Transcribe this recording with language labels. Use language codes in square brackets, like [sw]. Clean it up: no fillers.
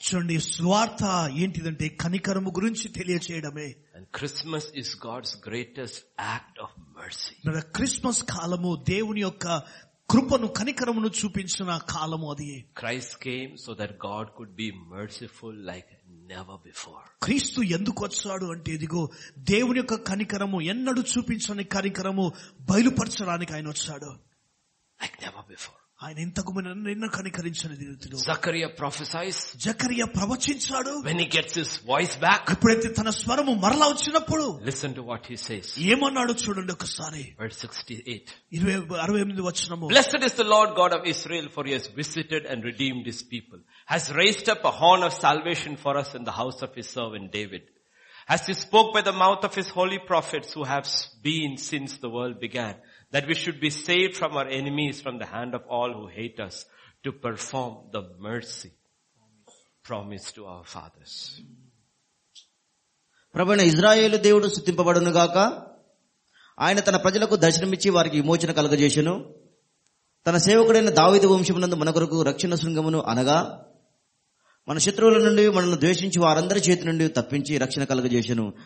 [te] చూడండి సువార్త ఏంటిదంటే కనికరము గురించి తెలియజేయడమే. [en] And Christmas is God's greatest act of mercy. [te] మరి క్రిస్మస్ కాలము దేవుని యొక్క కృపను కనికరమును చూపించిన కాలము అది. [en] Christ came so that God could be merciful like never before. [te] క్రీస్తు ఎందుకు వచ్చాడు అంటే ఇదిగో దేవుని యొక్క కనికరము ఎన్నడు చూపించని కనికరము బయలుపరచడానికి ఆయన వచ్చాడు. [en] Like never before. [te] ఆయన ఇంతకు నిన్న కనికరించని దీనిలో. [en] Zechariah prophesize. [te] Zechariah ప్రవచించాడు. [en] When he gets his voice back. [te] ఇప్పుడైతే తన స్వరము మరలా వచ్చినప్పుడు. [en] Listen to what he says. [te] ఏమన్నాడు చూడండి ఒకసారి. [en] Verse 68. [te] 68 వచనము. [en] Blessed is the Lord God of Israel, for he has visited and redeemed his people. Has raised up a horn of salvation for us in the house of his servant David. As he spoke by the mouth of his holy prophets who have been since the world began. That we should be saved from our enemies, from the hand of all who hate us, to perform the mercy promised to our fathers. [te] ప్రభువైన ఇశ్రాయేలు దేవుడు స్తుతింపబడును గాక. ఆయన తన ప్రజలకు దర్శనమిచ్చి వారికి విమోచన కలగజేసెను. తన సేవకుడైన దావీదు వంశమునందు మన కొరకు రక్షణ శృంగమును, అనగా మన శత్రువుల నుండి మనల్ని ద్వేషించి వారందరి చేతి నుండి తప్పించి రక్షణ కలగజేసెను.